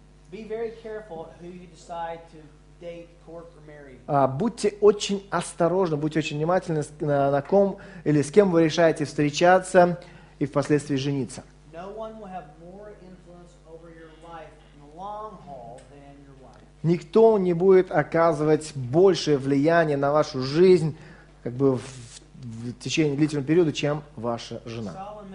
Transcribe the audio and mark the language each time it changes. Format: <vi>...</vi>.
<en>Be very careful who you decide to date, court, or marry.</en> <ru>Будьте очень осторожны, будьте очень внимательны на ком или с кем вы решаете встречаться и впоследствии жениться.</ru> <en>No one will have more influence over your life in the long haul than your wife.</en> <ru>Никто не будет оказывать большее влияние на вашу жизнь как бы в течение длительного периода, чем ваша жена.</ru>